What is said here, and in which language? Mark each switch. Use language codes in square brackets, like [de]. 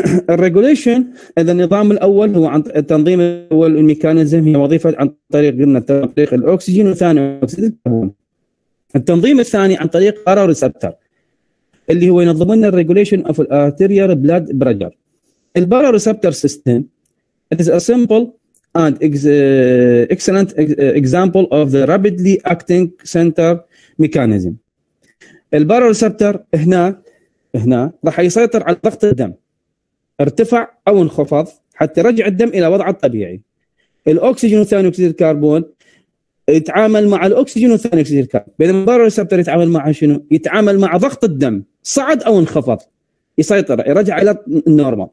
[ar] الريجوليشن اذا النظام الاول هو عن تنظيم الاول الميكانيزم هي وظيفة عن طريق قلنا تطريق الاكسجين وثاني اكسيد الكربون. التنظيم الثاني عن طريق قرار ريسبتر اللي هو ينظم لنا [en] الريجوليشن اوف الارتيريال بلاد بريشر. البارا ريسبتر سيستم It is a simple and excellent example of the rapidly acting center mechanism. [ar] الباروريسبتر هنا راح يسيطر على ضغط الدم ارتفع او انخفض حتى يرجع الدم الى وضعه الطبيعي. الاكسجين وثاني اكسيد الكربون يتعامل مع الاكسجين وثاني اكسيد الكربون بينما الباروريسبتر يتعامل مع شنو؟ يتعامل مع ضغط الدم صعد او انخفض يسيطر يرجع الى النورمال.